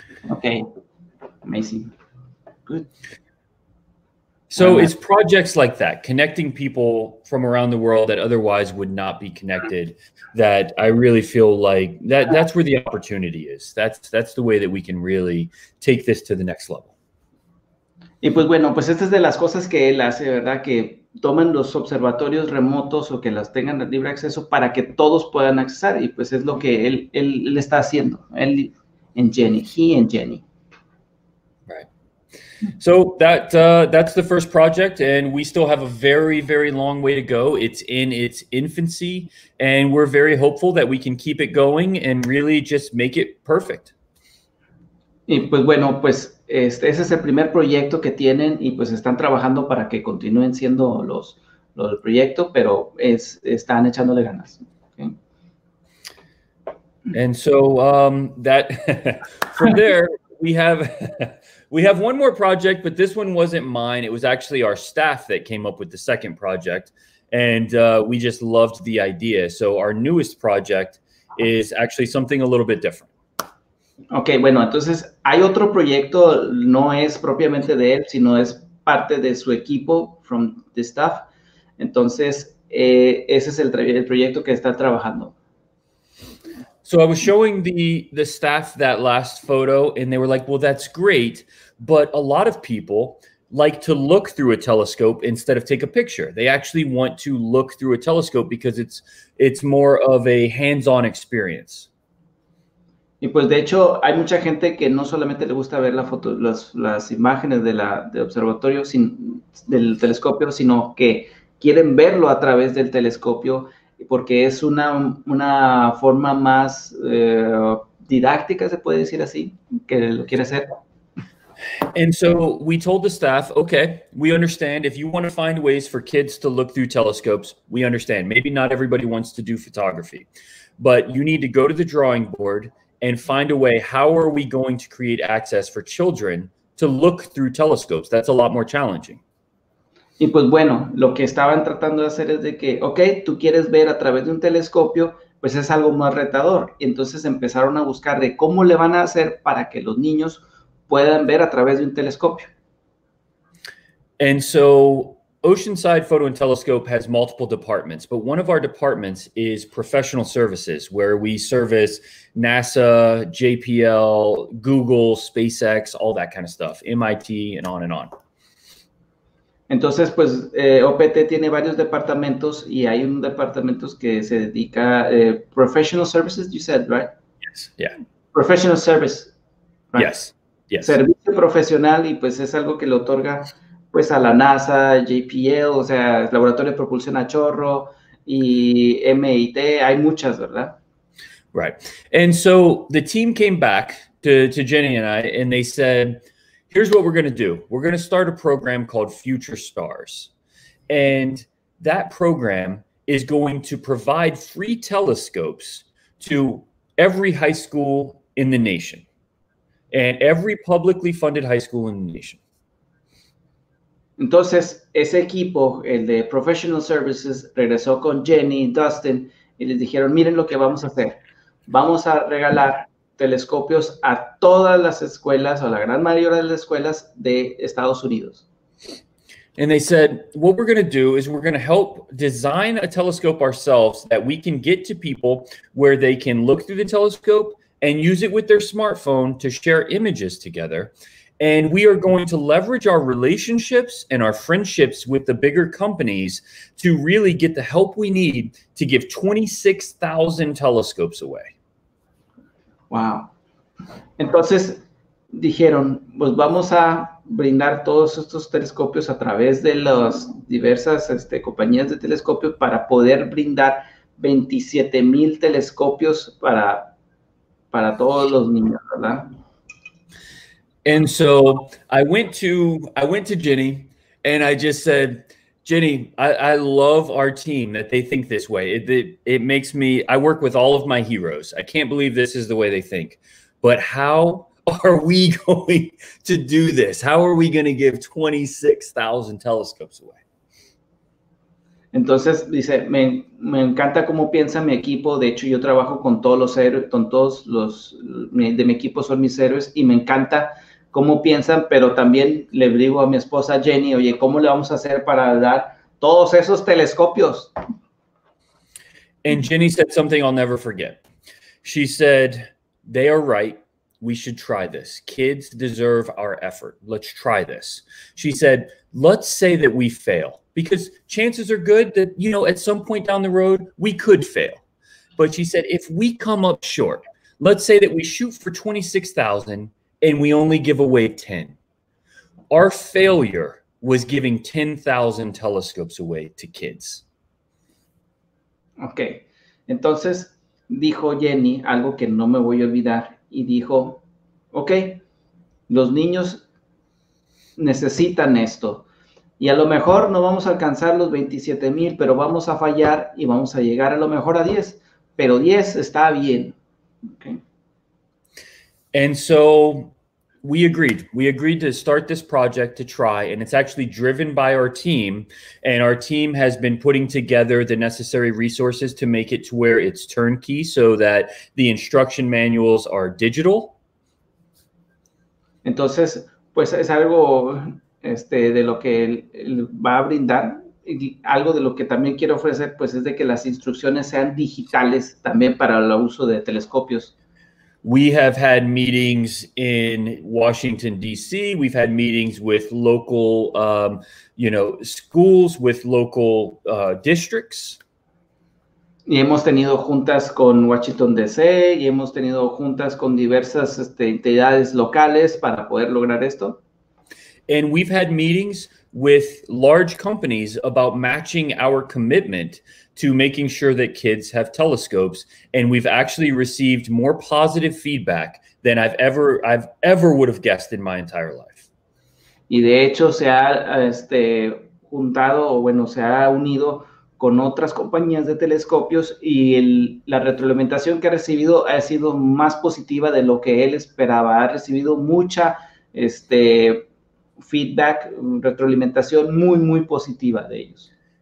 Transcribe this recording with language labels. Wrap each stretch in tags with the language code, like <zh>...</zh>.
<en>Okay. Amazing. Good. So it's projects like that, connecting people from around the world that otherwise would not be connected, that I really feel like that's where the opportunity is. That's the way that we can really take this to the next level.</en> <es>Y pues bueno, pues esta es de las cosas que él hace, ¿verdad? Que toman los observatorios remotos o que las tengan libre acceso para que todos puedan accesar. Y pues es lo que él está haciendo. Él en Jenny,</es> <en>he and Jenny. So that's the first project, and we still have a very, very long way to go. It's in its infancy, and we're very hopeful that we can keep it going and really just make it perfect.</en> <es>Y pues bueno, pues ese es el primer proyecto que tienen, y pues están trabajando para que continúen siendo los proyectos, pero están echándole ganas.</es> <en>Okay. And so that from there we have one more project, but this one wasn't mine. It was actually our staff that came up with the second project, and we just loved the idea. So our newest project is actually something a little bit different.</en> <es>Okay, bueno, entonces hay otro proyecto, no es propiamente de él, sino es parte de su equipo,</es> <en>from the staff.</en> <es>Entonces, ese es el proyecto que está trabajando.</es> <en>So I was showing the staff that last photo, and they were like, well, that's great, but a lot of people like to look through a telescope instead of take a picture. They actually want to look through a telescope because it's more of a hands-on experience.</en> <es>Y pues de hecho, hay mucha gente que no solamente le gusta ver la foto, las imágenes del observatorio del telescopio, sino que quieren verlo a través del telescopio, porque es una forma más didáctica, se puede decir así, que lo quiere hacer.</es> <en>And so we told the staff, okay, we understand if you want to find ways for kids to look through telescopes, we understand. Maybe not everybody wants to do photography, but you need to go to the drawing board and find a way, how are we going to create access for children to look through telescopes? That's a lot more challenging.</en> <es>Y pues bueno, lo que estaban tratando de hacer es de que, ok, tú quieres ver a través de un telescopio, pues es algo más retador. Y entonces empezaron a buscar de cómo le van a hacer para que los niños puedan ver a través de un telescopio.</es> <en>And so, Oceanside Photo and Telescope has multiple departments, but one of our departments is professional services, where we service NASA, JPL, Google, SpaceX, all that kind of stuff, MIT, and on and on.</en> <es>Entonces, pues, OPT tiene varios departamentos y hay un departamento que se dedica</es> <en>professional services, you said, right? Yes, yeah. Professional service, right? Yes, yes.</en> <es>Servicio profesional, y pues es algo que le otorga, pues, a la NASA, JPL, o sea, Laboratorio de Propulsión a Chorro y MIT, hay muchas, ¿verdad?</es> <en>Right. And so the team came back to Jenny and I, and they said, here's what we're going to do. We're going to start a program called Future Stars. And that program is going to provide free telescopes to every high school in the nation and every publicly funded high school in the nation.</en> <es>Entonces, ese equipo, el de Professional Services, regresó con Jenny y Dustin y les dijeron, miren lo que vamos a hacer. Vamos a regalar telescopios a todas las escuelas, a la gran mayoría de las escuelas de Estados Unidos.</es> <en>And they said, what we're going to do is we're going to help design a telescope ourselves that we can get to people where they can look through the telescope and use it with their smartphone to share images together. And we are going to leverage our relationships and our friendships with the bigger companies to really get the help we need to give 26,000 telescopes away. Wow.</en> <es>Entonces dijeron, pues vamos a brindar todos estos telescopios a través de las diversas compañías de telescopios para poder brindar 27,000 telescopios para todos los niños, ¿verdad?</es> <en>And so I went to Jenny and I just said, Jenny, I love our team that they think this way. It makes me, I work with all of my heroes. I can't believe this is the way they think. But how are we going to do this? How are we going to give 26,000 telescopes away?</en> <es>Entonces dice, me encanta cómo piensa mi equipo. De hecho, yo trabajo con todos los héroes, con todos los de mi equipo son mis héroes y me encanta cómo piensan, pero también le digo a mi esposa Jenny, oye, ¿cómo le vamos a hacer para dar todos esos telescopios?</es> <en>And Jenny said something I'll never forget. She said, they are right. We should try this. Kids deserve our effort. Let's try this. She said, let's say that we fail, because chances are good that, you know, at some point down the road, we could fail. But she said, if we come up short, let's say that we shoot for 26,000 and we only give away 10. Our failure was giving 10,000 telescopes away to kids. Okay.</en> <es>Entonces dijo Jenny algo que no me voy a olvidar. Y dijo, ok, los niños necesitan esto. Y a lo mejor no vamos a alcanzar los 27,000, pero vamos a fallar y vamos a llegar a lo mejor a 10. Pero 10 está bien. Okay.</es> <en>And so we agreed. We agreed to start this project to try. And it's actually driven by our team. And our team has been putting together the necessary resources to make it to where it's turnkey so that the instruction manuals are digital.</en> <es>Entonces, pues es algo de lo que él va a brindar. Algo de lo que también quiero ofrecer, pues es de que las instrucciones sean digitales también para el uso de telescopios.</es> <en>We have had meetings in Washington, D.C. We've had meetings with local, schools, with local districts.</en> <es>Y hemos tenido juntas con Washington, D.C. Y hemos tenido juntas con diversas entidades locales para poder lograr esto.</es> <en>And we've had meetings with large companies about matching our commitment to making sure that kids have telescopes. And we've actually received more positive feedback than I've ever would have guessed in my entire life.</en> <es>Y de hecho se ha juntado, o bueno, se ha unido con otras compañías de telescopios y la retroalimentación que ha recibido ha sido más positiva de lo que él esperaba. Ha recibido mucha feedback, retroalimentación muy, muy positiva de ellos.</es>